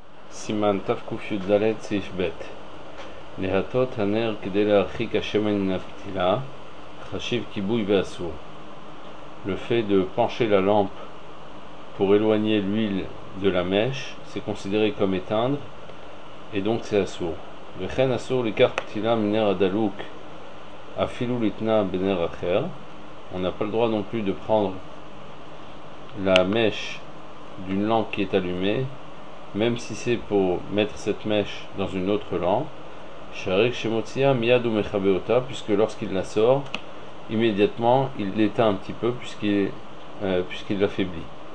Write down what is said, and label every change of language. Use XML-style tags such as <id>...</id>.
<he>סימן תקי"ד סעיף ב' להטות הנר כדי להרחיק השמן מן הפתילה חשיב כיבוי ואסור.</he> <fr>Le fait de pencher la lampe pour éloigner l'huile de la mèche, c'est considéré comme éteindre et donc c'est assour.</fr> <he>וכן אסור לקח פתילה מנר הדלוק אפילו לתנא בנר אחר.</he> <fr>On n'a pas le droit non plus de prendre la mèche d'une lampe qui est allumée, même si c'est pour mettre cette mèche dans une autre lampe.</fr> <he>Sharik Shemotsia Miyad Umechabeota,</he> <fr>puisque lorsqu'il la sort, immédiatement il l'éteint un petit peu puisqu'il l'affaiblit.</fr>